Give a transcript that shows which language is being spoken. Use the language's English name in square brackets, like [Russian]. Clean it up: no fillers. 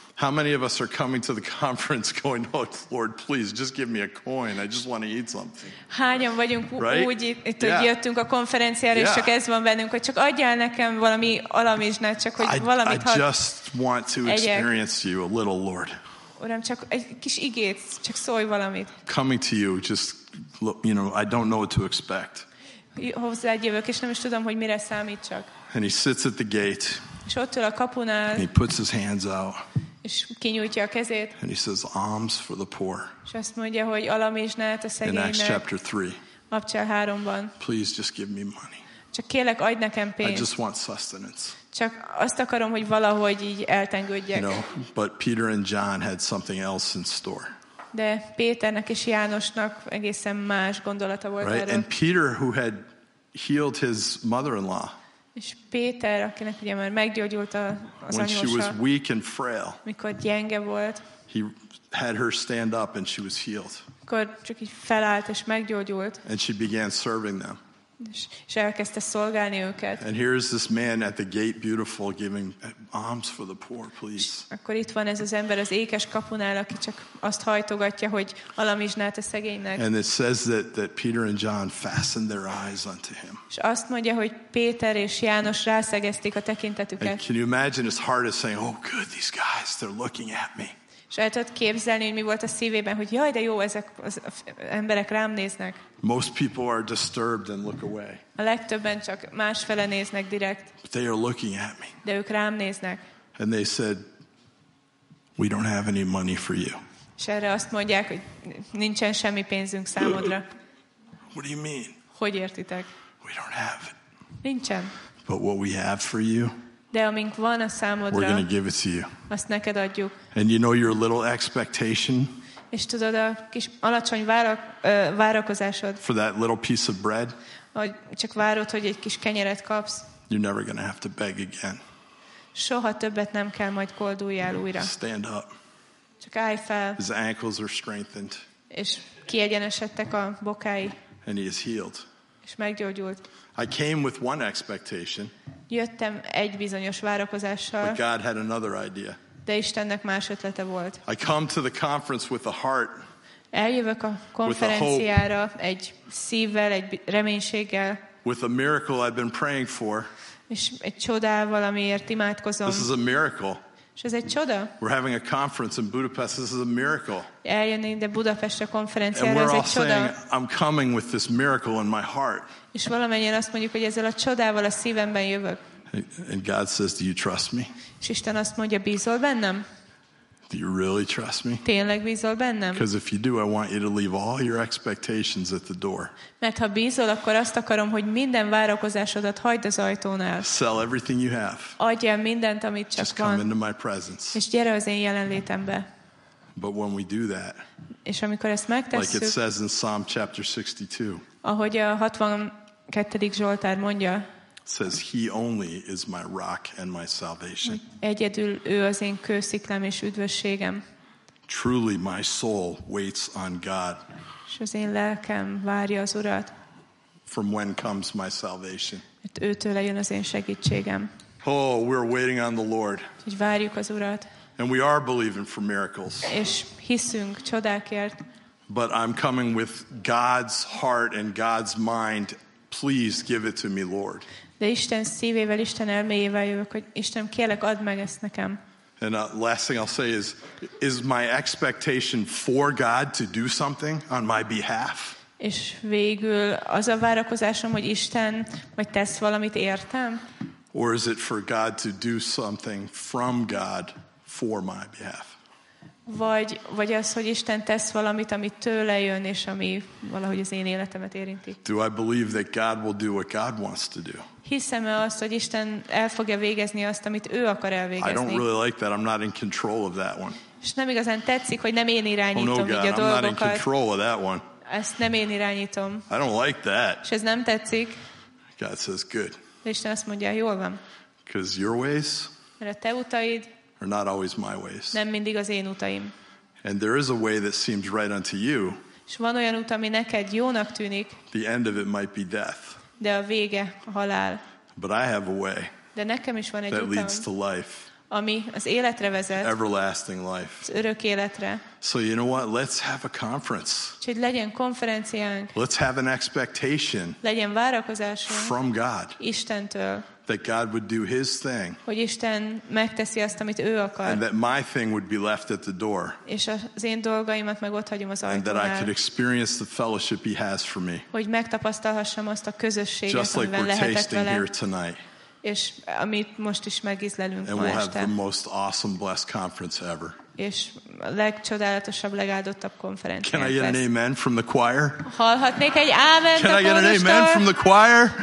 [English] How many of us are coming to the conference going, oh, Lord, please, just give me a coin. I just want to eat something. [Hungarian] Hányan vagyunk [English] right? [Hungarian] Úgy itt, hogy [English] yeah. [Hungarian] Jöttünk a konferenciára, [English] yeah. [Hungarian] És csak ez van bennünk, hogy csak adjál nekem valami alamizsnát, csak hogy valamit [English] I just want to experience [Hungarian] egyek. [English] You a little, Lord. [Hungarian] Uram, csak egy kis igét, csak szólj valamit. [English] Coming to you, just, you know, I don't know what to expect. [Hungarian] Hozzád jövök, és nem is tudom, hogy mire számítsak. [English] And he sits at the gate. [Hungarian] És ott ül a kapunál. [English] And he puts his hands out. [Hungarian] És kinyújtja a kezét. [English] And he says, alms for the poor. [Hungarian] És azt mondja, hogy alamizsnát a szegénynek. [English] In Acts chapter 3. [Hungarian] Abcsel 3-ban. [English] Please just give me money. [Hungarian] Csak kérlek, adj nekem pénzt. [English] I just want sustenance. [Hungarian] Csak azt akarom, hogy valahogy így eltengődjek. [English] You know, but Peter and John had something else in store. [Hungarian] De Péternek és Jánosnak egészen más gondolata volt [English] right? [Hungarian] Erre. [English] And Peter, who had healed his mother-in-law, [Hungarian] és Péter, akinek ugye már meggyógyult az anyósa, [English] when she was weak and frail, [Hungarian] mikor gyenge volt, [English] he had her stand up and she was healed. [Hungarian] Akkor csak így felállt és meggyógyult. [English] And she began serving them. [Hungarian] És elkezdte szolgálni őket. [English] And here is this man at the gate, beautiful, giving alms for the poor, please. [Hungarian] Akkor itt van ez az ember az ékes kapunál, aki csak azt hajtogatja, hogy alamizsnát a szegénynek. [English] And it says that Peter and John fastened their eyes unto him. [Hungarian] És azt mondja, hogy Péter és János rászegezték a tekintetüket. [English] Can you imagine his heart is saying, oh good, these guys, they're looking at me. [Hungarian] És el tudod képzelni, hogy mi volt a szívében, hogy jaj, de jó, ezek az emberek rám néznek. [English] Most people are disturbed and look away. [Hungarian] A legtöbben csak másfele néznek direkt. [English] But they are looking at me. [Hungarian] De ők rám néznek. [English] And they said, we don't have any money for you. [Hungarian] És erre azt mondják, hogy nincsen semmi pénzünk számodra. [English] What do you mean? [Hungarian] Hogy értitek? [English] We don't have it. [Hungarian] Nincsen. [English] But what we have for you, [Hungarian] de amink van a számodra, [English] we're going to give it to you. [Hungarian] Azt neked adjuk. [English] And you know your little expectation? [Hungarian] És tudod a kis alacsony várakozásod? [English] For that little piece of bread? [Hungarian] Hogy csak várod, hogy egy kis kenyeret kapsz. [English] You're never going to have to beg again. [Hungarian] Soha többet nem kell majd kolduljál újra. [English] Stand up. [Hungarian] Csak állj fel. [English] His ankles are strengthened. [Hungarian] És kiegyenesedtek a bokái. [English] And he is healed. [Hungarian] És meggyógyult. [English] I came with one expectation. [Hungarian] Jöttem egy bizonyos várakozással. [English] But God had another idea. [Hungarian] De Istennek más ötlete volt. [English] I come to the conference with a heart. [Hungarian] Eljövök a konferenciára egy szívvel, egy reménységgel. [English] With a miracle I've been praying for. [Hungarian] És egy csodával, amiért imádkozom. [English] This is a miracle. [Hungarian] És ez egy csoda. [English] We're having a conference in Budapest. This is a miracle. [Hungarian] Eljönni ide Budapestre konferenciára, ez egy csoda. [English] And we're all saying, I'm coming with this miracle in my heart. [Hungarian] És valamennyien azt mondjuk, hogy ezzel a csodával a szívemben jövök. [English] And God says, do you trust me? [Hungarian] És Isten azt mondja, bízol bennem? [English] Do you really trust me? [Hungarian] Tényleg bízol bennem? [English] Because if you do, I want you to leave all your expectations at the door. [Hungarian] Mert ha bízol, akkor azt akarom, hogy minden várakozásodat hagyd az ajtónál. [English] Sell everything you have. [Hungarian] Adj el mindent, amit csak van. [English] Just come into my presence. [Hungarian] És gyere az én jelenlétembe. [English] But when we do that, [Hungarian] és amikor ezt megtesszük, [English] like it says in Psalm chapter 62, [Hungarian] ahogy a 62. Zsoltár mondja, [English] says he only is my rock and my salvation. [Hungarian] Egyedül ő az én kősziklám és üdvösségem. [English] Truly my soul waits on God. [Hungarian] És az én lelkem várja az Urat. [English] From when comes my salvation. [Hungarian] Mert őtőle jön az én segítségem. [English] Oh, we're waiting on the Lord. [Hungarian] Így várjuk az Urat. [English] And we are believing for miracles. [Hungarian] És hiszünk csodákért. [English] But I'm coming with God's heart and God's mind. Please give it to me, Lord. [Hungarian] De Isten szívével, Isten elméjével jövök, hogy Isten, kérlek, add meg ezt nekem. [English] And last thing I'll say is my expectation for God to do something on my behalf? [Hungarian] És végül az a várakozásom, hogy Isten majd tesz valamit értem? [English] Or is it for God to do something from God for my behalf? [Hungarian] Vagy az, hogy Isten tesz valamit, amit tőle jön, és ami valahogy az én életemet érinti. [English] Do I believe that God will do what God wants to do? [Hungarian] Hiszem-e azt, hogy Isten el fogja végezni azt, amit ő akar elvégezni? [English] I don't really like that. I'm not in control of that one. [Hungarian] És nem igazán tetszik, hogy nem én irányítom így a dolgokat. [English] Oh no, God, I'm not in control of that one. [Hungarian] Ezt nem én irányítom. [English] I don't like that. [Hungarian] És ez nem tetszik. [English] God says, good. [Hungarian] De Isten azt mondja, jól van. [English] Because your ways, [Hungarian] mert a te utaid, [English] are not always my ways. [Hungarian] Nem mindig az én utaim. [English] And there is a way that seems right unto you. [Hungarian] És van olyan út, ami neked jónak tűnik. [English] The end of it might be death. [Hungarian] De a vége a halál. [English] But I have a way. [Hungarian] De nekem is van egy útam. [English] That leads to life. [Hungarian] Ami az életre vezet. [English] Everlasting life. [Hungarian] Az örök életre. [English] So you know what? Let's have a conference. [Hungarian] Úgyhogy legyen konferenciánk. [English] Let's have an expectation. [Hungarian] Legyen várakozásunk. [English] From God. [Hungarian] Istentől. [English] That God would do his thing. [Hungarian] Hogy Isten megteszi azt, amit ő akar. [English] And that my thing would be left at the door. [Hungarian] És az én dolgaimat meg ott hagyom az ajtónál. [English] And that I could experience the fellowship he has for me. [Hungarian] Hogy megtapasztalhassam azt a közösséget, [English] just like [Hungarian] amiben [English] we're [Hungarian] lehetek [English] tasting [Hungarian] vele. [English] Here tonight. [Hungarian] És amit most is megízlelünk [English] and [Hungarian] ma [English] we'll [Hungarian] este. [English] And we'll have the most awesome, blessed conference ever. [Hungarian] És a legcsodálatosabb, legáldottabb konferenciánk. [English] Can I get an amen from the choir? [Hungarian] Hallhatnék egy ámen a kórustól? [English] Can I get an amen from the choir?